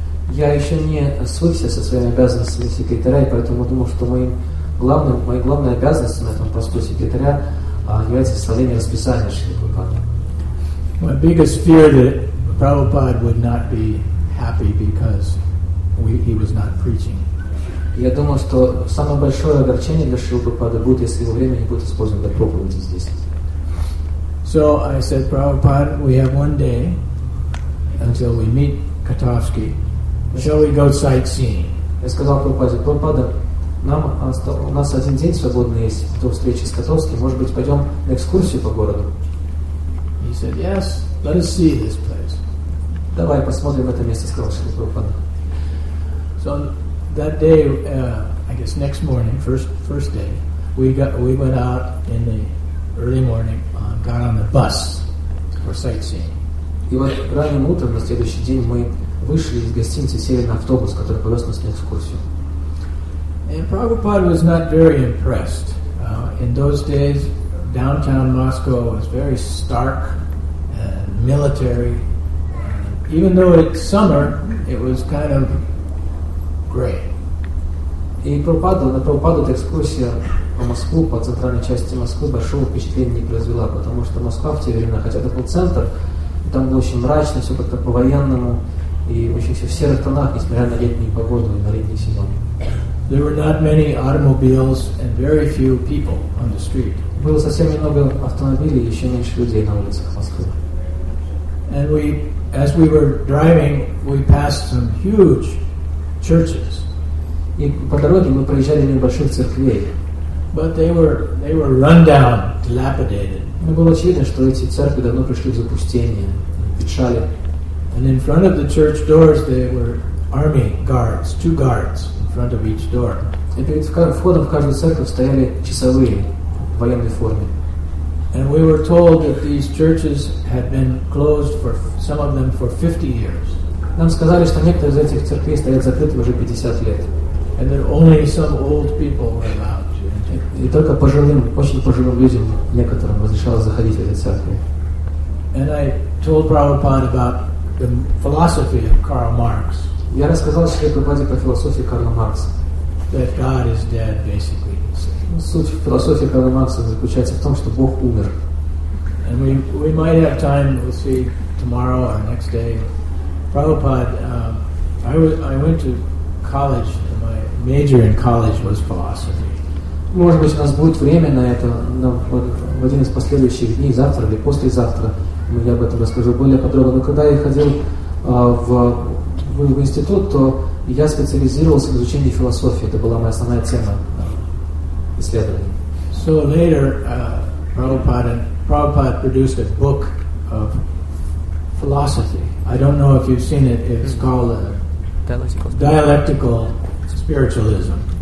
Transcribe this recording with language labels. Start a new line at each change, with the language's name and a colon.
Russian: Я еще не освоился со своими обязанностями секретаря, и поэтому думал, что моей главной обязанностью на этом посту секретаря является составление расписания Шрилы Прабхупады.
English: My biggest fear that Prabhupada would not be happy because he was not preaching.
Russian: Я думал, что самое большое огорчение для Шрилы Прабхупады будет, если его время не будет использовано для проповеди здесь.
English: So I said, Prabhupada, we have one day until we meet Katovsky. Shall we go sightseeing?
Russian: Я сказал Прабхупаде, Прабхупада, у нас один день свободный есть до встречи с Катовским. Может быть, пойдем на экскурсию по городу?
English: He said, yes, let us see this place.
Russian: Давай посмотрим это место, сказал Шрила Прабхупада.
English: So that day, I guess next morning, first day, we went out in the early morning, got on the bus for sightseeing.
Russian: И вот ранним утром на следующий день мы вышли из гостиницы, сели на автобус, который повез нас на экскурсию.
English: And Prabhupada was not very impressed. In those days, downtown Moscow was very stark and military. Even though it's summer, it was kind of gray.
Russian: И на Прабхупаду эта экскурсия по Москву, по центральной части Москвы, большого впечатления не произвела, потому что Москва в те времена, хотя это был центр, там было очень мрачно, все как-то по-военному, и очень все в серых тонах, несмотря на летнюю погоду и на летний сезон.
English: There were not many automobiles and very few people on the street.
Russian: Было совсем немного автомобилей и еще меньше людей на улицах Москвы.
English: And we, as we were driving, we passed some huge churches.
Russian: И по дороге мы проезжали небольших церквей.
English: But they were run down, dilapidated.
Russian: Но было очевидно, что эти церкви давно пришли в запустение, ветшали.
English: And in front of the church doors there were army guards, 2 guards in front of each door.
Russian: И перед входом в каждую церковь стояли часовые в военной форме.
English: And we were told that these churches had been closed for some of them for 50 years.
Russian: Нам сказали, что некоторые из этих церквей стоят закрыты уже 50 лет.
English: And that only some old people were allowed.
Russian: И только пожилым, очень пожилым людям, некоторым, разрешалось заходить в эти церкви.
English: And I told Prabhupada about the philosophy of Karl Marx.
Russian: Я рассказал Шриле Прабхупаде про философию Карла Маркса.
English: That God is dead, basically.
Russian: Суть философии Карла Маркса заключается в том, что Бог умер.
English: And we might have time, we'll see tomorrow or next day. Prabhupada, I went to college, and my major in college was philosophy.
Russian: Может быть, у нас будет время на это, но в один из последующих дней, завтра или послезавтра, я об этом расскажу более подробно. Но когда я ходил в институт, то я специализировался в изучении философии. Это была моя основная тема исследований.
English: So later, Prabhupada produced a book of philosophy. I don't know if you've seen it. It's called Dialectical Spiritualism.